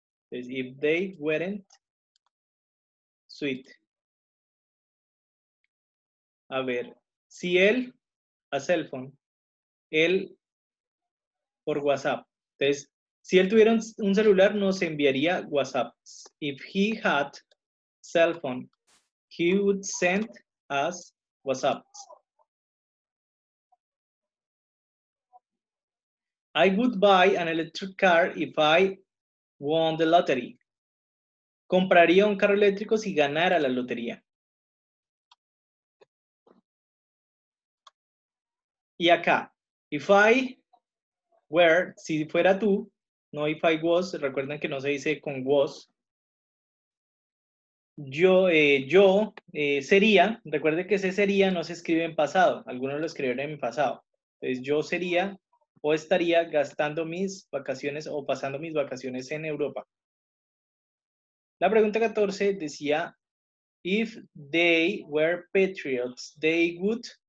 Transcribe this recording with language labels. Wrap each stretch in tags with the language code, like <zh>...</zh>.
<en>Entonces, if they weren't sweet.</en> <es>A ver, si él,</es> <en>a cell phone,</en> <es>él por WhatsApp. Entonces, si él tuviera un celular, nos enviaría WhatsApp.</es> <en>If he had cell phone, he would send us WhatsApp. I would buy an electric car if I won the lottery.</en> <es>Compraría un carro eléctrico si ganara la lotería. Y acá,</es> <en>if I were,</en> <es>si fuera tú, no</es> <en>if I was,</en> <es>recuerden que no se dice con was. Yo sería, recuerden que ese sería no se escribe en pasado, algunos lo escribieron en pasado. Entonces yo sería o estaría gastando mis vacaciones o pasando mis vacaciones en Europa. La pregunta 14 decía,</es> <en>if they were patriots, they would...</en>